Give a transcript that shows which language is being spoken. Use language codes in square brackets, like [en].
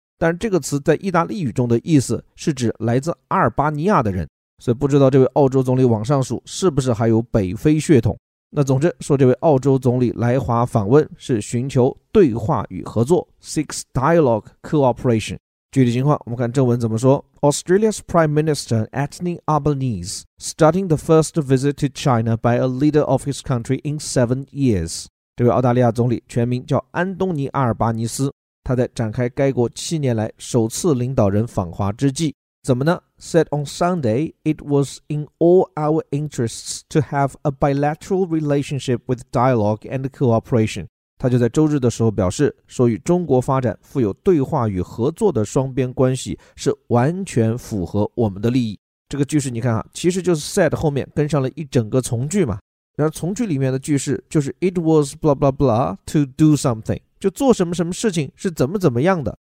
[zh] 但是这个词在意大利语中的意思是指来自阿尔巴尼亚的人，所以不知道这位澳洲总理往上数是不是还有北非血统。那总之说，这位澳洲总理来华访问是寻求对话与合作， [en] Seeks Dialogue Cooperation。 [zh] 具体情况我们看正文怎么说。 [en] Australia's Prime Minister Anthony Albanese starting the first visit to China by a leader of his country in 7 years。 [zh] 这位澳大利亚总理全名叫安东尼阿尔巴尼斯，他在展开该国七年来首次领导人访华之际，怎么呢？ [en] said on Sunday, it was in all our interests to have a bilateral relationship with dialogue and cooperation. [zh] 他就在周日的时候表示，说与中国发展富有对话与合作的双边关系是完全符合我们的利益。这个句式你看啊，其实就是 said 后面跟上了一整个从句嘛。然后从句里面的句式就是 [en] it was blah blah blah to do something， [zh] 就做什么什么事情是怎么怎么样的。